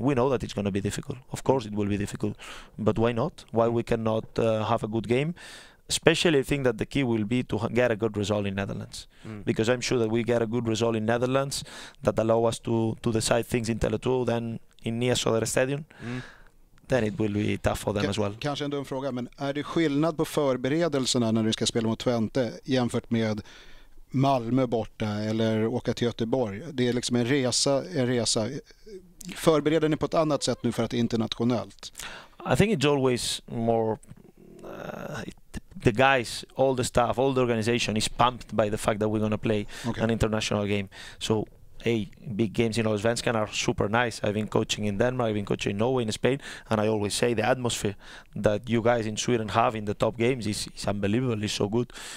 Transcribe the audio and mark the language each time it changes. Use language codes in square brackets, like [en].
[en] We know that it's going to be difficult. Of course, it will be difficult. But why not? Why we cannot have a good game? Especially, I think that the key will be to get a good result in Netherlands, because I'm sure that we get a good result in Netherlands that allow us to decide things in Tele2, then in Niasoder Stadion. Then it will be tough for them as well. [sv] Kanske en dum fråga, men är det skillnad på förberedelserna när du ska spela mot Twente jämfört med Malmö borta eller åka till Göteborg? Det är liksom en resa. Förbereder ni på ett annat sätt nu för att internationellt? [en] I think it's always more the guys, all the staff, all the organization is pumped by the fact that we're going to play an international game. So big games in Allsvenskan are super nice. I've been coaching in Denmark, I've been coaching in Norway, in Spain, and I always say the atmosphere that you guys in Sweden have in the top games is unbelievable, it's so good.